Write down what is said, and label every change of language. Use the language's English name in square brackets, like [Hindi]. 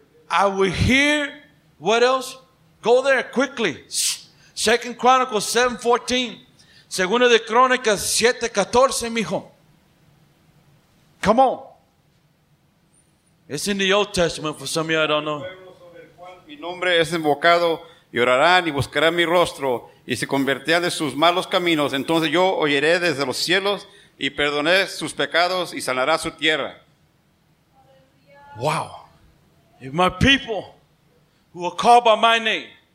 [English] I would hear. What else? Go there quickly. 2 Chronicles 7:14. [Spanish] Segunda de Crónicas 7:14, mijo. [English] Come on. It's in the Old Testament for some of you I don't know. [Spanish] Mi nombre es invocado y orarán y buscarán mi rostro y se convertirán de sus malos caminos. Entonces yo oiré desde los cielos y perdoné sus pecados y sanará su tierra. [English] Wow. If my people who are called by my name.